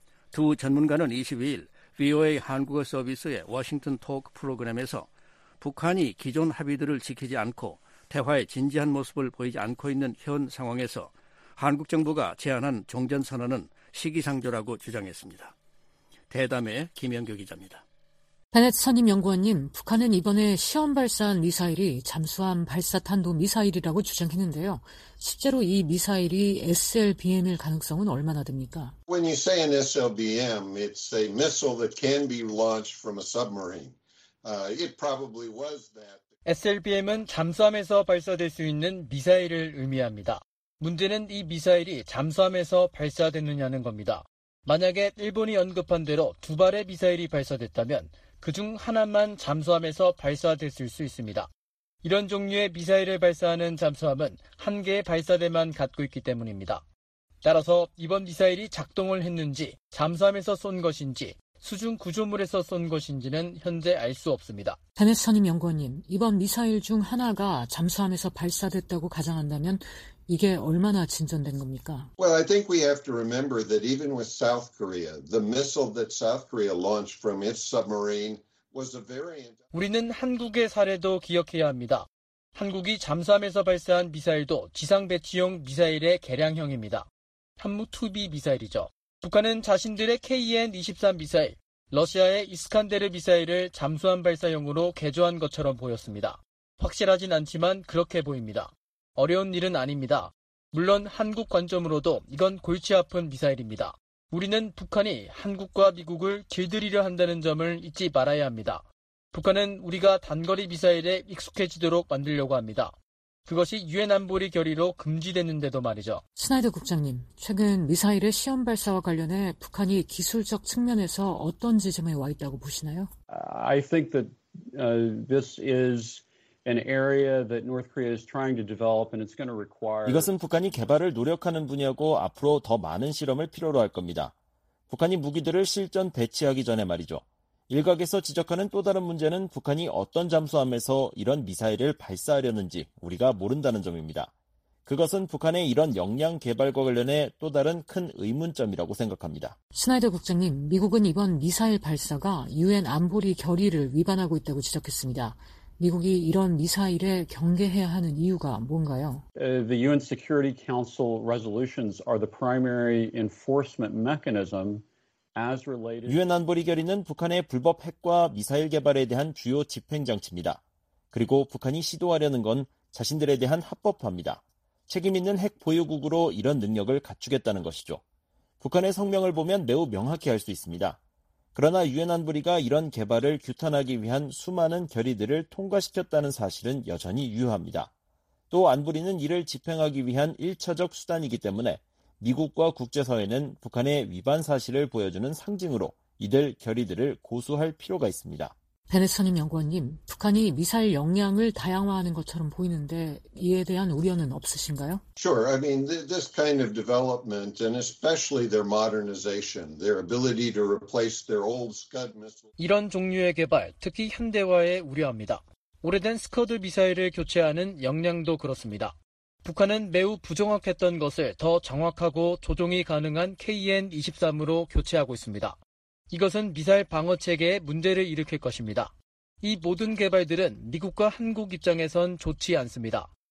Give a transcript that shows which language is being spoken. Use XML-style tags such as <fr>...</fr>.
<ko>두 전문가는 22일 VOA 한국어 서비스의 워싱턴 토크 프로그램에서 북한이 기존 합의들을 지키지 않고 대화에 진지한 모습을 보이지 않고 있는 현 상황에서 한국 정부가 제안한 종전선언은 시기상조라고 주장했습니다. 대담의 김영규 기자입니다. 베넷 선임 연구원님, 북한은 이번에 시험 발사한 미사일이 잠수함 발사탄도 미사일이라고 주장했는데요. 실제로 이 미사일이 SLBM일 가능성은 얼마나 됩니까?</ko> <en>When you say an SLBM, it's a missile that can be launched from a submarine. It probably was that.</en> <ko>SLBM은 잠수함에서 발사될 수 있는 미사일을 의미합니다. 문제는 이 미사일이 잠수함에서 발사됐느냐는 겁니다. 만약에 일본이 언급한 대로 두 발의 미사일이 발사됐다면 그중 하나만 잠수함에서 발사됐을 수 있습니다. 이런 종류의 미사일을 발사하는 잠수함은 한 개의 발사대만 갖고 있기 때문입니다. 따라서 이번 미사일이 작동을 했는지 잠수함에서 쏜 것인지 수중 구조물에서 쏜 것인지는 현재 알 수 없습니다. 베넷 선임 연구원님, 이번 미사일 중 하나가 잠수함에서 발사됐다고 가정한다면 이게 얼마나 진전된 겁니까?</ko> <en>Well, I think we have to remember that even with South Korea, the missile that South Korea launched from its submarine was a variant.</en> <ko>우리는 한국의 사례도 기억해야 합니다. 한국이 잠수함에서 발사한 미사일도 지상 배치용 미사일의 개량형입니다. 한무2B 미사일이죠. 북한은 자신들의 KN-23 미사일, 러시아의 이스칸데르 미사일을 잠수함 발사용으로 개조한 것처럼 보였습니다. 확실하진 않지만 그렇게 보입니다. 어려운 일은 아닙니다. 물론 한국 관점으로도 이건 골치 아픈 미사일입니다. 우리는 북한이 한국과 미국을 길들이려 한다는 점을 잊지 말아야 합니다. 북한은 우리가 단거리 미사일에 익숙해지도록 만들려고 합니다. 그것이 유엔 안보리 결의로 금지됐는데도 말이죠. 스나이더 국장님, 최근 미사일의 시험 발사와 관련해 북한이 기술적 측면에서 어떤 지점에 와 있다고 보시나요?</ko> <en>I think that this is an area that North Korea is trying to develop and it's going to require</en> <ko>이것은 북한이 개발을 노력하는 분야고 앞으로 더 많은 실험을 필요로 할 겁니다. 북한이 무기들을 실전 배치하기 전에 말이죠. 일각에서 지적하는 또 다른 문제는 북한이 어떤 잠수함에서 이런 미사일을 발사하려는지 우리가 모른다는 점입니다. 그것은 북한의 이런 역량 개발과 관련해 또 다른 큰 의문점이라고 생각합니다. 스나이더 국장님, 미국은 이번 미사일 발사가 유엔 안보리 결의를 위반하고 있다고 지적했습니다. 미국이 이런 미사일에 경계해야 하는 이유가 뭔가요?</ko> <en>The UN Security Council resolutions are the primary enforcement mechanism as related.</en> <ko>유엔 안보리 결의는 북한의 불법 핵과 미사일 개발에 대한 주요 집행 장치입니다. 그리고 북한이 시도하려는 건 자신들에 대한 합법화입니다. 책임 있는 핵 보유국으로 이런 능력을 갖추겠다는 것이죠. 북한의 성명을 보면 매우 명확히 할 수 있습니다. 그러나 유엔 안보리가 이런 개발을 규탄하기 위한 수많은 결의들을 통과시켰다는 사실은 여전히 유효합니다. 또 안보리는 이를 집행하기 위한 1차적 수단이기 때문에 미국과 국제사회는 북한의 위반 사실을 보여주는 상징으로 이들 결의들을 고수할 필요가 있습니다. 베네스님 연구원님, 북한이 미사일 역량을 다양화하는 것처럼 보이는데 이에 대한 우려는 없으신가요?</ko> <en>Sure. I mean, this kind of development and especially their modernization, their ability to replace their old Scud missiles.</en> <ko>이런 종류의 개발, 특히 현대화에 우려합니다. 오래된 스커드 미사일을 교체하는 역량도 그렇습니다. 북한은 매우 부정확했던 것을 더 정확하고 조종이 가능한 KN-23으로 교체하고 있습니다. 이것은 미사일 방어 체계에 문제를 일으킬 것입니다. 이 모든 개발들은 미국과 한국 입장에선 좋지 않습니다.</ko>